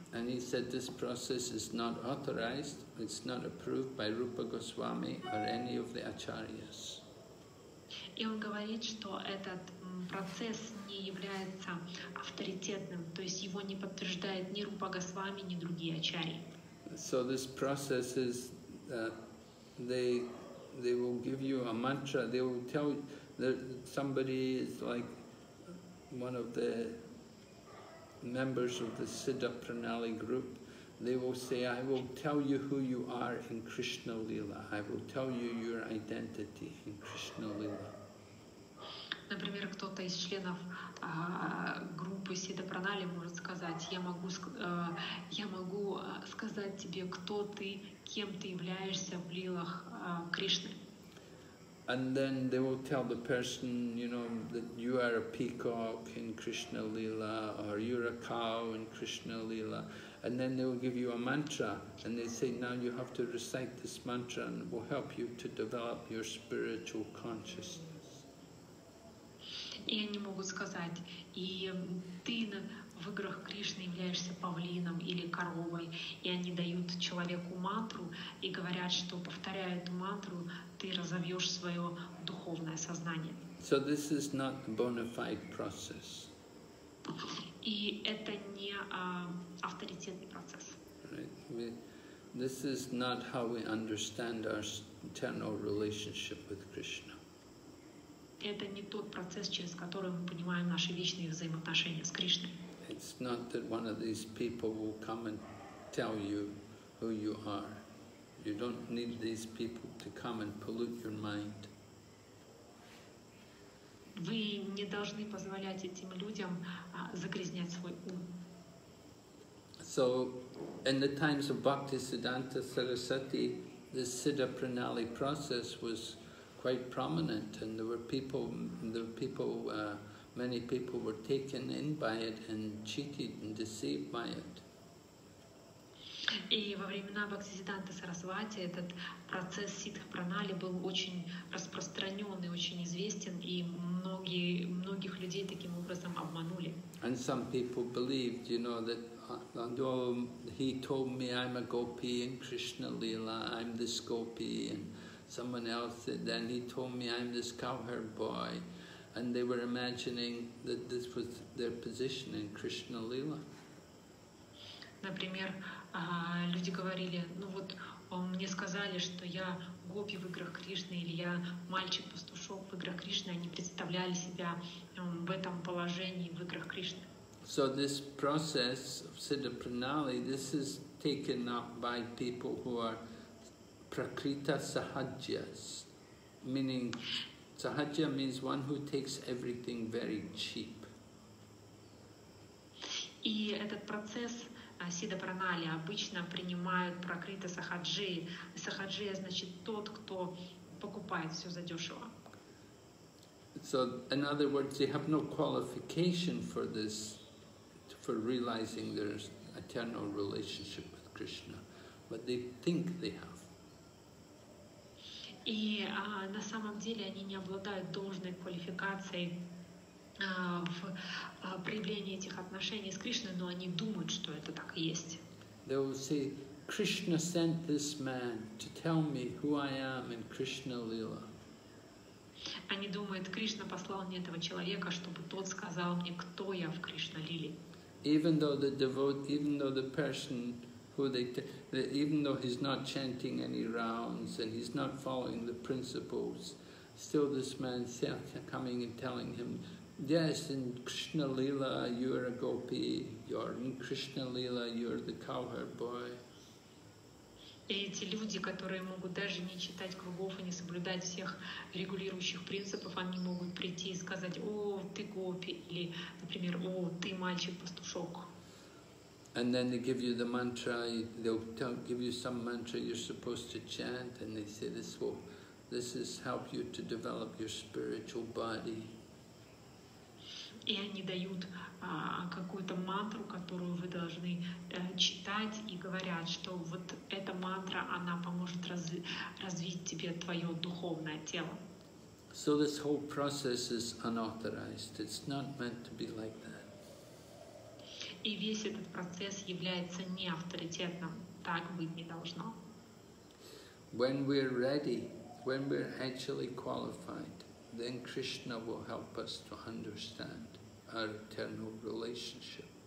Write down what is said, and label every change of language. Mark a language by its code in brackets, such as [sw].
[en] And he said this process is not authorized, it's not approved by Rupa Goswami or any of the acharyas. [ru] И он говорит, что этот процесс не является авторитетным, то есть его не подтверждает ни Рупа Госвами, ни другие ачари. [en] So this process is they will give you a mantra, they will tell that somebody is like one of the members of the Siddha Pranali group. They will say, I will tell you who you are in Krishna Lila. I will tell you your identity in Krishna Lila. [ru] Например, кто-то из членов группы Siddha Pranali может сказать, я могу сказать тебе, кто ты, кем ты являешься в лилах Кришны. [en] And then they will tell the person, you know, that you are a peacock in Krishna Lila, or you're a cow in Krishna Lila. And then they will give you a mantra, and they say, now you have to recite this mantra, and it will help you to develop your spiritual consciousness. [ru] И они могут сказать, и ты в играх Кришны являешься павлином или коровой, и они дают человеку мантру и говорят, что повторяя эту мантру, ты разовьешь свое духовное сознание. [en] So this is not a bona fide process. [ru] И это не авторитетный процесс. [en] Right. This is not how we understand our internal relationship with Krishna. [ru] Это не тот процесс, через который мы понимаем наши личные взаимоотношения с Кришной. [en] It's not that one of these people will come and tell you who you are. You don't need these people to come and pollute your mind. [ru] Вы не должны позволять этим людям загрязнять свой ум. [en] So, in the times of Bhaktisiddhanta Sarasvati, the Siddha Pranali process was quite prominent, and many people were taken in by it and cheated and deceived by it. [ru] И во времена Бхактисиддханты Сарасвати этот процесс Сиддха Пранали был очень распространен и очень известен, и многих людей таким образом обманули. [en] And some people believed, you know, that although he told me I'm a gopi in Krishna Lila, I'm this gopi, and someone else, then he told me, I'm this cowherd boy. And they were imagining that this was their position in Krishna Lila. [ru] Например, люди говорили, ну вот мне сказали, что я гопи в играх Кришны, или я мальчик-пастушок в играх Кришны. Они представляли себя в этом положении в играх Кришны. [en] So this process of Siddha Pranali, this is taken up by people who are Prakrita Sahajyas, meaning Sahajya means one who takes everything very cheap. [ru] И этот процесс Siddha Pranali обычно принимают Prakrita Sahajyi. Sahajya значит тот, кто покупает все за дешево. [en] So, in other words, they have no qualification for this, for realizing their eternal relationship with Krishna, but they think they have. [ru] И на самом деле они не обладают должной квалификацией в проявлении этих отношений с Кришной, но они думают, что это так и есть. [en] They will say, Krishna sent this man to tell me who I am in Krishna Lila. [ru] Они думают, Кришна послал мне этого человека, чтобы тот сказал мне, кто я в Кришна Лиле. [en] Even though he's not chanting any rounds and he's not following the principles, still this man coming and telling him, yes, in Krishna Lila you are a gopi, you're in Krishna Lila you're the cowherd boy. [ru] И эти люди, которые могут даже не читать кругов и не соблюдать всех регулирующих принципов, они могут прийти и сказать, о, ты гопи, или, например, о, ты мальчик-пастушок. [en] And then they give you the mantra, they'll give you some mantra you're supposed to chant, and they say this will help you to develop your spiritual body. [ru] И они дают какую-то мантру, которую вы должны читать, и говорят, что вот эта мантра, она поможет развить тебе твое духовное тело. [en] So this whole process is unauthorized. It's not meant to be like that. [ru] И весь этот процесс является неавторитетным. Так быть не должно. [en] When we're ready, when we're actually qualified, then Krishna will help us to understand our eternal relationship.